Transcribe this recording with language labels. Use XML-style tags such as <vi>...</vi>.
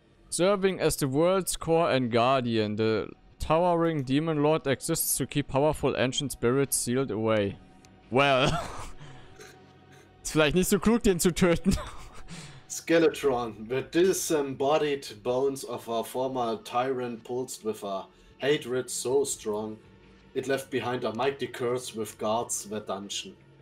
<en>Serving as the world's core and guardian, the towering demon lord exists to keep powerful ancient spirits sealed away. Well.</en> <de>Ist vielleicht nicht so klug, den zu töten.</de> <en>Skeletron, the disembodied bones of our former tyrant pulsed with a hatred so strong, it left behind a mighty curse with guards the dungeon.</en>